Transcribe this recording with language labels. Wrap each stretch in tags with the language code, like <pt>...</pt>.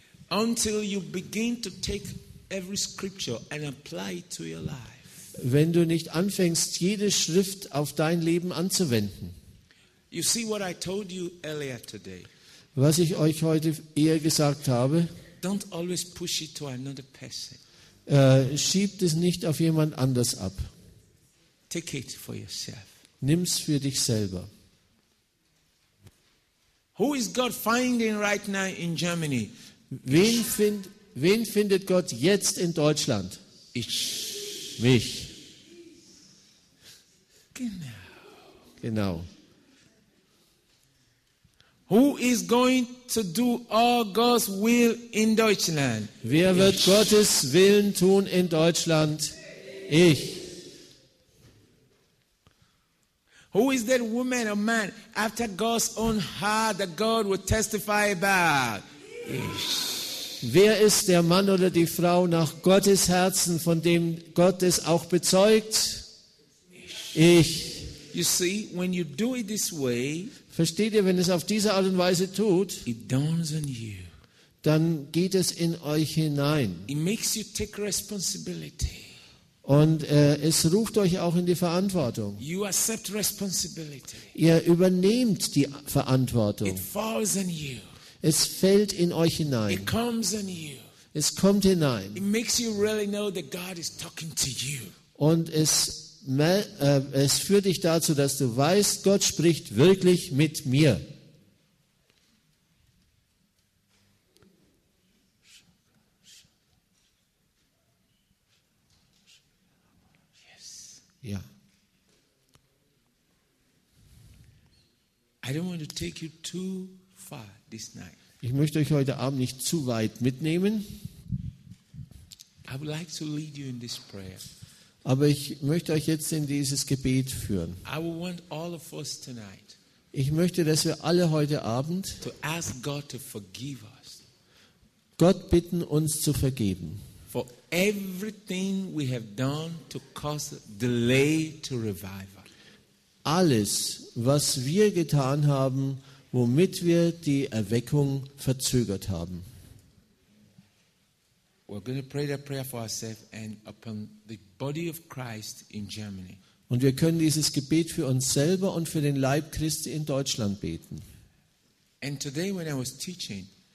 <en>Until you begin to take every scripture and apply it to your life.</en> <de>Wenn du nicht anfängst, jede Schrift auf dein Leben anzuwenden.</de> <en>You see what I told you earlier today.</en> <de>Was ich euch heute eher gesagt habe.</de> <en>Don't always push it to another person.</en> <de>Schiebt es nicht auf jemand anders ab.</de> <en>Take it for yourself.</en> <de>Nimm's für dich selber.</de> <en>Who is God finding right now in Germany?</en> <de>Wen findet Gott jetzt in Deutschland? Ich. Mich. Genau. Genau.</de> <en>Who is going to do all God's will in Deutschland?</en> <de>Wer wird ich. Gottes Willen tun in Deutschland? Ich.</de> <en>Who is that woman or man after God's own heart that God will testify about?</en> <de>Ich. Wer ist der Mann oder die Frau nach Gottes Herzen, von dem Gott es auch bezeugt? Ich.</de> <en>You see, when you do it this way,</en> <de>versteht ihr, wenn es auf diese Art und Weise tut,</de> <en>it dawns on you.</en> <de>Dann geht es in euch hinein.</de> <en>It makes you take responsibility.</en> <de>Und es ruft euch auch in die Verantwortung.</de> <en>You accept responsibility.</en> <de>Ihr übernehmt die Verantwortung.</de> <en>It falls on you.</en> <de>Es fällt in euch hinein.</de> <en>It comes on you.</en> <de>Es kommt hinein.</de> <en>It makes you really know that God is talking to you.</en> <de>Und es führt dich dazu, dass du weißt, Gott spricht wirklich mit mir.</de> <en>Yes.</en> <de>Ja.</de> <en>I don't want to take you too far this night.</en> <de>Ich möchte euch heute Abend nicht zu weit mitnehmen.</de> <en>I would like to lead you in this prayer.</en> <de>Aber ich möchte euch jetzt in dieses Gebet führen.</de> <en>I would want all of us tonight.</en> <de>Ich möchte, dass wir alle heute Abend</de> <en>to ask God to forgive us.</en> <de>Gott bitten, uns zu vergeben.</de> <en>For everything we have done to cause delay to revival.</en> <de>Alles, was wir getan haben, womit wir die Erweckung verzögert haben.</de> <en>We're going to pray that prayer for ourselves and upon the body of Christ in Germany.</en> <de>Und wir können dieses Gebet für uns selber und für den Leib Christi in Deutschland beten.</de> <en>And today when I was teaching,</en>